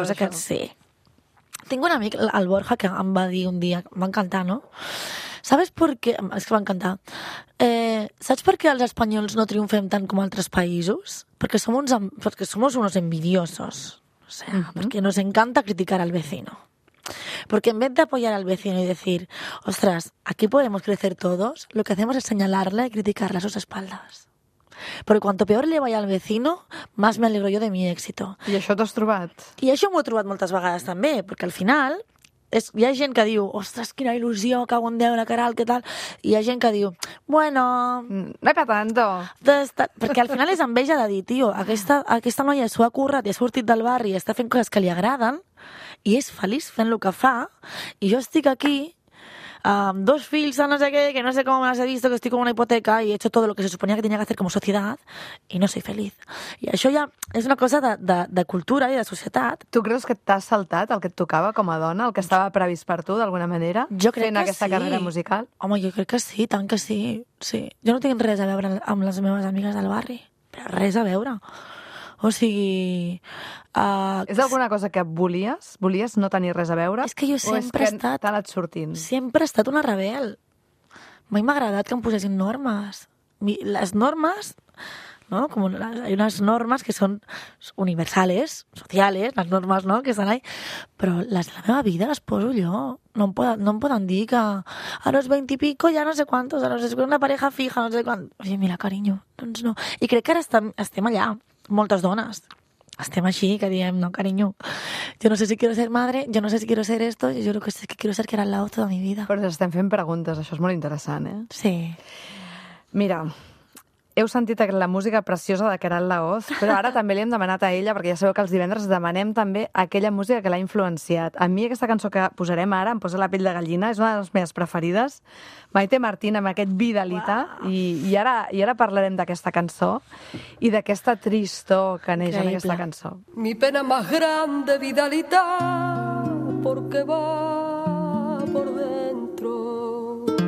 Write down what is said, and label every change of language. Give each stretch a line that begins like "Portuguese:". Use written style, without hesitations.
Catalan: cosa que... Sí. Tinc un amic, el Borja, que em va dir un dia, em va encantar, no?
Spanish: ¿Sabes por qué?
Catalan: Es que va encantar. ¿Saps per què els espanyols no triomfem tant com altres països? Perquè som uns envidiosos.
Spanish: O sea, perquè nos encanta criticar al vecino. Porque en vez de apoyar al vecino y decir, ostras, aquí podemos crecer todos, lo que hacemos es señalarle y criticarle a sus espaldas.
Catalan: Però quan peor li vaig al vecino, més m'alegro jo de mi èxit. I això t'has trobat? I això m'ho he trobat moltes vegades també, perquè al final és, hi ha gent que diu, ostres, quina il·lusió, cago en Déu, la Queralt, què tal? I hi ha gent que diu, bueno...
Spanish: No que tanto.
Catalan: Perquè al final és enveja de dir, tio, aquesta noia s'ho ha currat i ha sortit del barri i està fent coses que li agraden i és feliç fent lo que fa i jo estic aquí... amb dos fills, no sé què, que no sé com me las he visto, que estic com una hipoteca i
Spanish: he hecho todo lo que se suponía que tenía que hacer como sociedad y no soy feliz.
Catalan: I això ja és una cosa de cultura i de societat. Tu creus que t'has saltat el que et tocava com a dona, el que estava previst per tu, d'alguna manera, jo crec fent aquesta sí. carrera musical? Home, jo crec que sí, tant que sí. Sí. Jo no tinc res a veure amb les meves amigues del barri, però res a veure. O sigui... És alguna cosa que volies? Volies no tenir res a veure? És que jo sempre he estat... T'ha anat sortint. Sempre he estat una rebel. Mai m'ha agradat que em posessin normes. Les normes... No? Com hi ha unes normes que són universals, socials, les normes, no?, que estan ahí. Però les de la meva vida les poso jo. No em poden dir que
Spanish: a los 20 y pico ya no sé cuántos, a los es una pareja fija, no sé cuántos. Oye, mira, cariño, doncs no.
Catalan: I crec que ara estem allà. Moltes dones. Estem així, que diem,
Spanish: no, cariño, yo no sé si quiero ser madre, yo no sé si quiero ser esto, yo creo que sí que quiero ser que era el lado toda mi vida.
Catalan: Però estem fent preguntes, això és molt interessant, eh? Sí. Mira, heu sentit la música preciosa de Queralt Lahoz, però ara també li hem demanat a ella, perquè ja sabeu que els divendres demanem també aquella música que l'ha influenciat. A mi aquesta cançó que posarem ara, em posa la pell de gallina, és una de les meves preferides, Maite Martín, amb aquest Vidalita, i ara parlarem d'aquesta cançó i d'aquesta tristor que neix en aquesta cançó.
Spanish: Mi pena más grande, Vidalita, porque va por dentro.